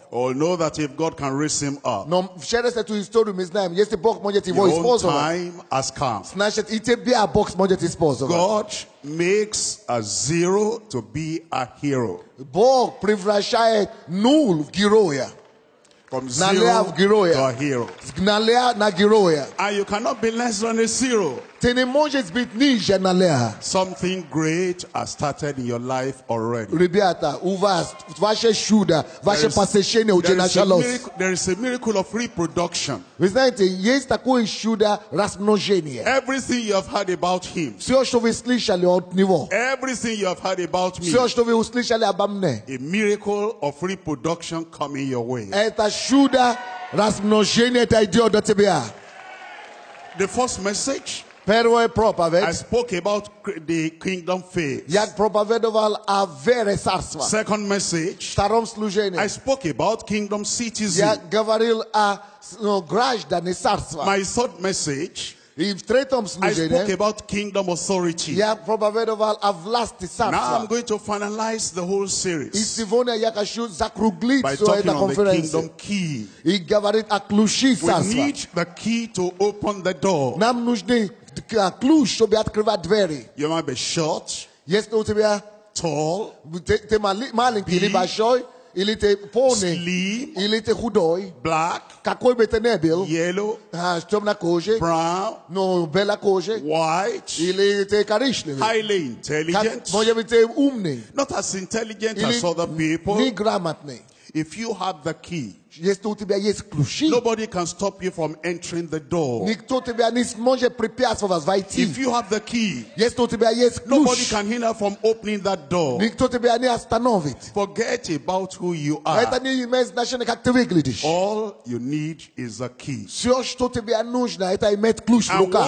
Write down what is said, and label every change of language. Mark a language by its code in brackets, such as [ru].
[en] Or know that if God can raise him up, [ru] но вчера с этой историей мы знаем, если Бог может его использовать, [en] your time has come. [ru] Значит, и тебя Бог может использовать. [en] God makes a zero to be a hero. [ru] Бог превращает нуль в героя. [en] From zero to a hero. [ru] Гналя на героя. [en] And you cannot be less than a zero. [ru] Ты не можешь быть ниже нуля. [en] Something great has started in your life already. [ru] Ребята, у вас ваше чудо, ваше посещение уже началось. [en] There is a miracle of reproduction. [ru] Вы знаете, есть такое чудо размножения. [en] Everything you have heard about him. [ru] Все, что вы слышали от него. [en] Everything you have heard about me. [ru] Все, что вы услышали обо мне. [en] A miracle of reproduction coming your way. [ru] Это чудо размножения, это идет до тебя. [en] The first message. [ru] Первое проповедь. [en] I spoke about the kingdom faith. [ru] Я проповедовал о вере царства. [en] Second message. [ru] Втором служении. [en] I spoke about kingdom citizens. [ru] Я говорил о граждане царства. [en] My third message. [ru] И в третьем служении. [en] I spoke about kingdom authority. [ru] Я проповедовал о власти царства. [en] Now I'm going to finalize the whole series. [ru] И сегодня я хочу закруглить всю эту конференцию. [en] By talking on the kingdom key. [ru] И говорить о ключе царства. [en] We need the key to open the door. [ru] Нам нужны ключ, чтобы открывать двери. [en] You might be short. [ru] Если у тебя [en] tall. [ru] Ты маленький, или большой, или ты полный, [en] slim, [ru] или ты худой, [en] black, [ru] какой бы ты ни был, [en] yellow, [ru] темная кожа, [en] brown, [ru] но белая кожа, [en] white, [ru] или ты коричневый, [en] highly intelligent, [ru] может быть ты умный, [en] not as intelligent as other people, [ru] не грамотный. [en] If you have the key, [ru] если у тебя есть ключи, [en] nobody can stop you from entering the door. [ru] Никто тебя не сможет препятствовать вас войти. [en] If you have the key, [ru] если у тебя есть ключ, [en] nobody can hinder from opening that door. [ru] Никто тебя не остановит. [en] Forget about who you are. [ru] Это не имеет значения, как ты выглядишь. [en] All you need is a key. [ru] Все, что тебе нужно, это иметь ключ в руках.